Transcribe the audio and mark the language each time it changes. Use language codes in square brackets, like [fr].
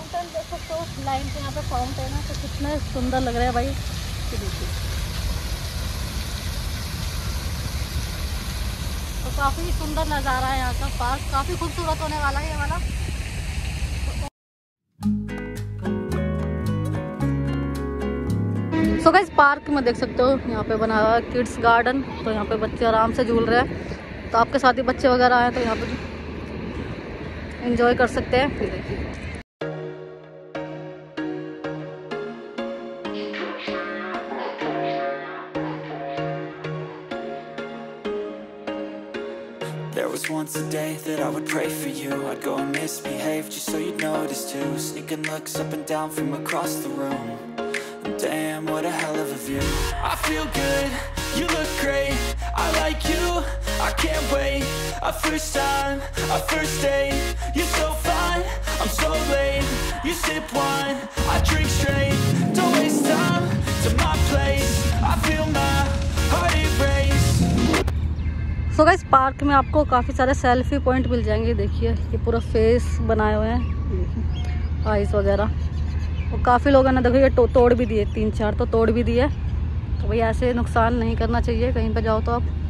[hi] सुंदर लग रहा है भाई, तो काफी सुंदर नजारा है यहाँ का, पार्क काफी खूबसूरत होने वाला है ये वाला। सो गाइस, पार्क में देख सकते हो यहाँ पे बना हुआ किड्स गार्डन, तो यहाँ पे बच्चे आराम से झूल रहे हैं, तो आपके साथ ही बच्चे वगैरह आए तो यहाँ पे एंजॉय कर सकते हैं। फिर देखिए, [en] once a day that I would pray for you, I'd go and misbehave just so you'd notice too, sneaking looks up and down from across the room, and damn what a hell of a view. I feel good, you look great, I like you, I can't wait, our first time, our first date, you're so fine, I'm so late, you sip wine, I drink straight, don't waste time, to my place, I feel my heart erase. [hi] तो guys, park में आपको काफ़ी सारे selfie point मिल जाएंगे, देखिए ये पूरा face बनाए हुए हैं, आईज वगैरह। और काफ़ी लोगों ने देखो ये तोड़ भी दिए, तीन चार तो तोड़ भी दिए, तो भाई ऐसे नुकसान नहीं करना चाहिए कहीं पर जाओ तो आप।